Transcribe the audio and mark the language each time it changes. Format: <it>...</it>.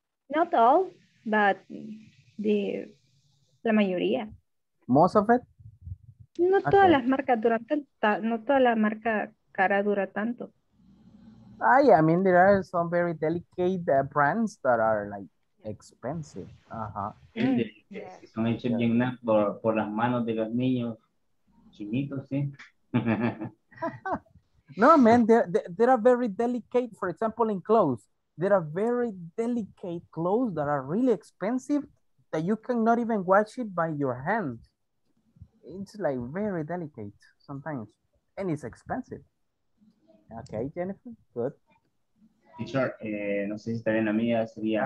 <en>Not all, but the mayoría. Most of it?</en> <es>No okay. Todas las marcas duran tanto. No toda la marca cara dura tanto.</es> <en>There are some very delicate brands that are like expensive. Uh-huh.</en> <es>Son hechos bien por las manos de los niños chiquitos, sí.</es> <en>No, man, they are very delicate. For example, in clothes, there are very delicate clothes that are really expensive that you cannot even wash it by your hand. It's like very delicate sometimes, and it's expensive. Okay, Jennifer, good.</en> <es>Teacher, no sé si está bien la mía, sería.</es>